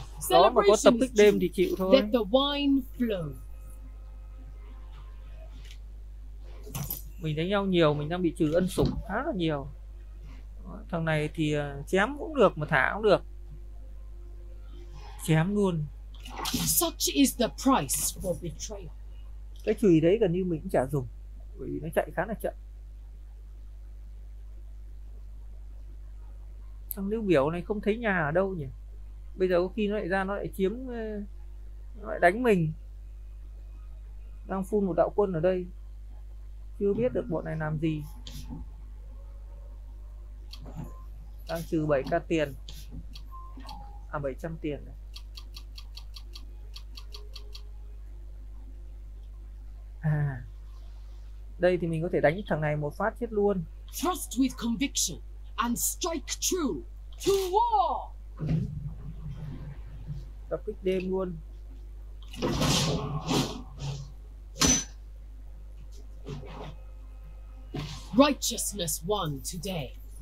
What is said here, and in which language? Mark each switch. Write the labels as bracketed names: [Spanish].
[Vietnamese] Đó mà có tập tích đêm thì chịu thôi. [English] Let the wine flow. [Vietnamese] Mình đánh nhau nhiều, mình đang bị trừ ân sủng khá là nhiều. Thằng này thì chém cũng được mà thả cũng được. Chém luôn. [English] Such is the price for betrayal. [Vietnamese] Cái chùy đấy gần như mình cũng chả dùng. Bởi vì nó chạy khá là chậm. Thằng Lưu Biểu này không thấy nhà ở đâu nhỉ. Bây giờ có khi nó lại ra nó lại chiếm. Nó lại đánh mình. Đang phun một đạo quân ở đây. Chưa biết được bọn này làm gì. Đang trừ 7k tiền. À 700 tiền này. À. Đây thì mình có thể đánh thằng này một phát chết luôn. [English] Trust with conviction and strike true to war. [Vietnamese] Tập kích đêm luôn. [English] Righteousness won today.